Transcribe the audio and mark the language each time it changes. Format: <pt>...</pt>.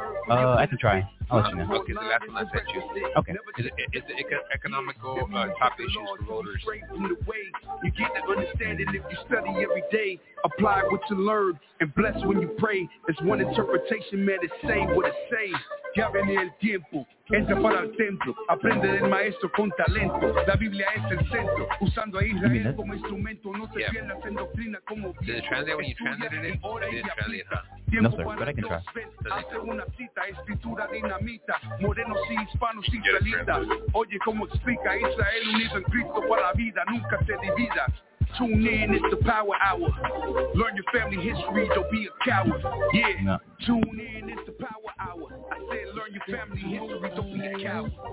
<en>I can try. I'll let you know. Okay, the last one I sent you. Okay. Is the economical top issues for voters? You get to understand it if you study every day. Apply what you learn and bless when you pray. It's one interpretation, man, it's say what it says.</en> <es>Ya venía el tiempo, entra para el templo, aprende del maestro con talento, la Biblia es el centro, usando a Israel como instrumento, no te pierdas en doctrina como escritura dinamita, morenos y hispanos sin salida. Oye cómo explica Israel unido en Cristo para la vida, nunca se divida.</es> <en>Tune in, it's the power hour. Learn your family history, don't be a coward. Yeah, no. Tune in, it's the power hour. I said learn your family history, don't be a coward.</en>